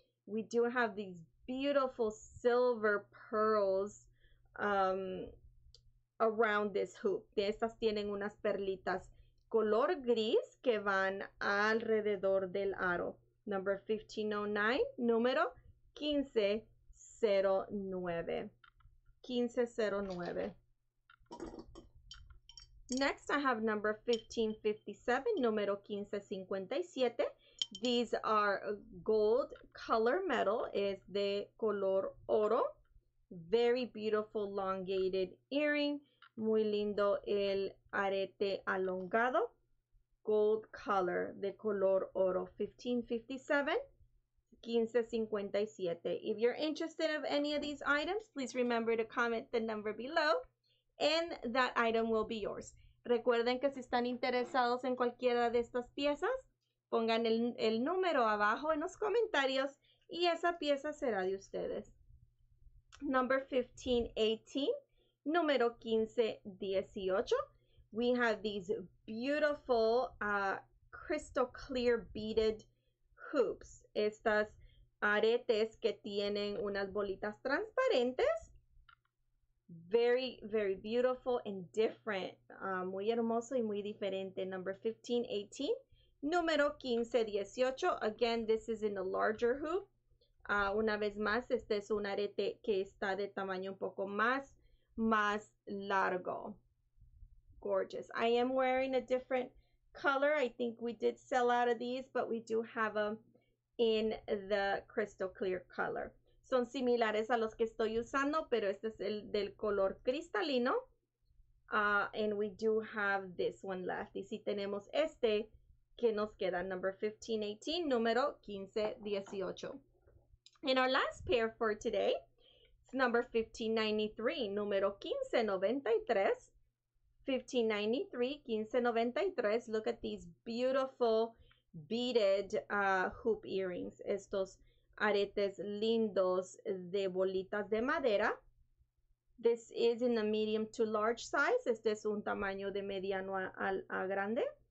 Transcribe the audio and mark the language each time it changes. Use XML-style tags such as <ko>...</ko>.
<en>We do have these beautiful silver pearls around this hoop.</en> <es>Estas tienen unas perlitas color gris que van alrededor del aro.</es> <en>Number 1509,</en> <es>número 1509.</es> <en>1509. Next, I have number 1557,</en> <es>número 1557.</es> <en>These are gold color metal,</en> <es>es de color oro.</es> <en>Very beautiful elongated earring.</en> <es>Muy lindo el arete alongado.</es> <en>Gold color,</en> <es>de color oro. 1557, 1557.</es> <en>If you're interested in any of these items, please remember to comment the number below and that item will be yours.</en> <es>Recuerden que si están interesados en cualquiera de estas piezas, pongan el número abajo en los comentarios y esa pieza será de ustedes.</es> <en>Number 1518,</en> <es>número 1518.</es> <en>We have these beautiful crystal clear beaded hoops.</en> <es>Estas aretes que tienen unas bolitas transparentes.</es> <en>Very, very beautiful and different.</en> <es>Muy hermoso y muy diferente.</es> <en>Number 1518.</en> <es>Número 1518.</es> <en>Again, this is in a larger hoop.</en> <es>Una vez más, este es un arete que está de tamaño un poco más largo.</es> <en>Gorgeous. I am wearing a different color. I think we did sell out of these, but we do have them in the crystal clear color.</en> <es>Son similares a los que estoy usando, pero este es el del color cristalino.</es> <en>And we do have this one left.</en> <es>Y si tenemos este, ¿qué nos queda?</es> <en>Number 1518,</en> <es>número 1518.</es> <en>And our last pair for today, it's number 1593,</en> <es>número 1593.</es> <en>1593. Look at these beautiful beaded hoop earrings.</en> <es>Estos aretes lindos de bolitas de madera.</es> <en>This is in the medium to large size.</en> <es>Este es un tamaño de mediano a grande.</es>